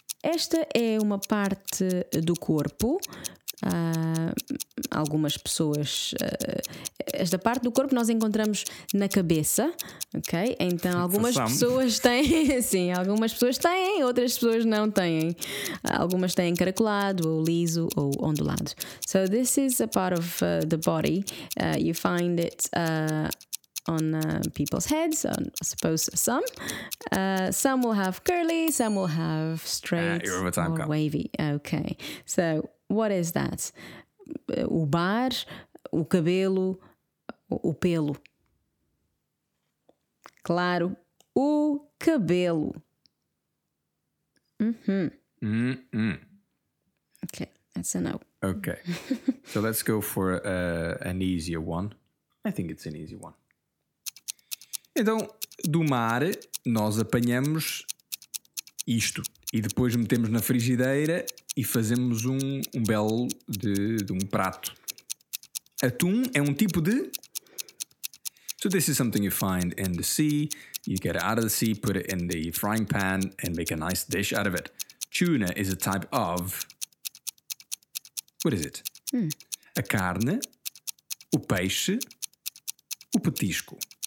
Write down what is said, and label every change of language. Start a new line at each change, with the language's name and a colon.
Portuguese: Esta é uma parte do corpo, algumas pessoas, esta parte do corpo nós encontramos na cabeça, ok? Então algumas pessoas têm, sim, algumas pessoas têm, outras pessoas não têm. Algumas têm encaracolado, ou liso, ou ondulado.
English: So this is a part of the body, you find it... on people's heads, I suppose some. Some will have curly, some will have straight or wavy. Okay, so what is that?
Portuguese: O bar, o cabelo, o pelo. Claro, o cabelo. Mm-hmm. Mm-hmm.
English: Okay, that's a no. Okay, so let's go for an easier one. I think it's an easy one.
Portuguese: Então, do mar, nós apanhamos isto e depois metemos na frigideira e fazemos um belo de um prato. Atum é um tipo de...
English: So this is something you find in the sea. You get it out of the sea, put it in the frying pan and make a nice dish out of it. Tuna is a type of... What is it?
Portuguese: A carne, o peixe, o petisco.